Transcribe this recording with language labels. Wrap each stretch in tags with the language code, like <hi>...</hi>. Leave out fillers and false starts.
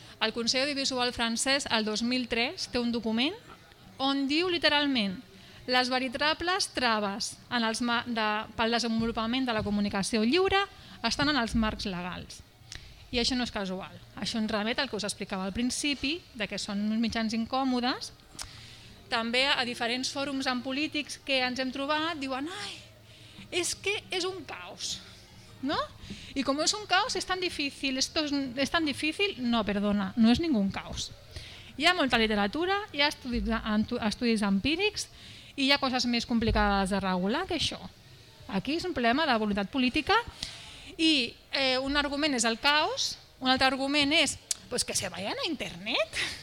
<ca>El Consell Audiovisual francès, el 2003, té un document on diu literalment les veritables traves en els pel desenvolupament de la comunicació lliure estan en els marcs legals. I això no és casual. Això ens remet al que us explicava al principi, de que són uns mitjans incòmodes. També a diferents fòrums amb polítics que ens hem trobat diuen ai, és que és un caos.</ca> <es>¿No? Y como es un caos, es tan difícil, esto es tan difícil, no, perdona, no es ningún caos.</es> <ca>Hi ha molta literatura, hi ha estudis empírics i hi ha coses més complicades de regular que això. Aquí és un problema de voluntat política i un argument és el caos, un altre argument és</ca> <es>pues que se vayan a internet.</es>